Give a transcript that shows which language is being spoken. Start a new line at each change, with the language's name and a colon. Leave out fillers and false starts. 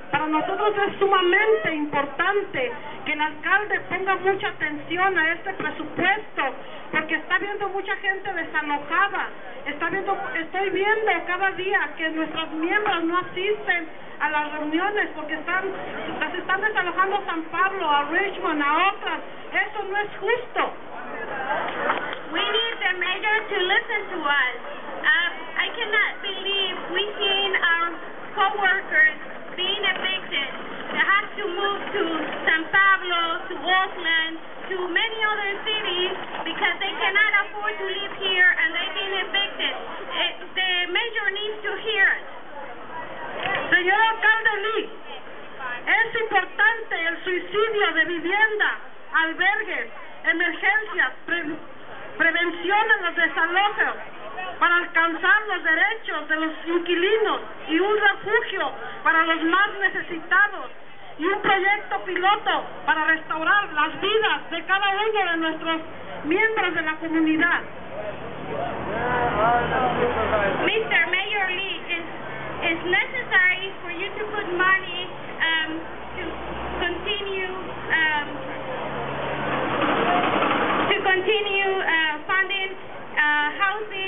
Spanish: Para nosotros es sumamente importante que el alcalde ponga mucha atención a este presupuesto, porque está viendo mucha gente desalojada. Estoy viendo cada día que nuestras miembros no asisten a las reuniones porque las están desalojando a San Pablo, a Richmond, a otras. Eso no es justo.
English: We need the mayor to listen to us. I cannot believe we've seen our co-workers being evicted. They have to move to San Pablo, to Oakland, to many other cities because they cannot afford to live here and they've been evicted. The mayor needs to hear us.
Spanish: Señor alcalde Lee, es importante el suicidio de vivienda, albergues, emergencias, prevención a los desalojos para alcanzar los derechos de los inquilinos y un refugio para los más necesitados y un proyecto piloto para restaurar las vidas de cada uno de nuestros miembros de la comunidad.
English: Mr. Mayor Lee, it's necessary for you to put money to continue funding housing